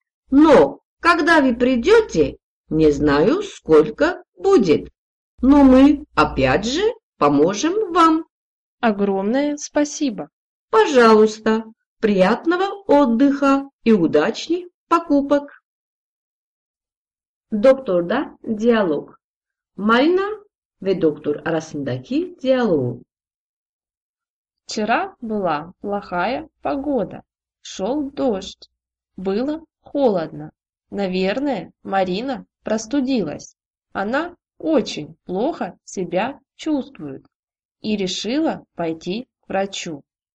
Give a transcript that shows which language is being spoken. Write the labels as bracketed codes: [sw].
[ru] Но когда вы придете, не знаю, сколько будет. Но мы опять же поможем вам. Огромное спасибо. Пожалуйста, приятного отдыха и удачных покупок. Доктор, да, диалог. [tr] Марина ve doktor arasındaki diyalog. [ru] Вчера была плохая погода. Шел дождь. Было холодно. Наверное, Марина простудилась. Она очень плохо себя чувствует и решила пойти к врачу.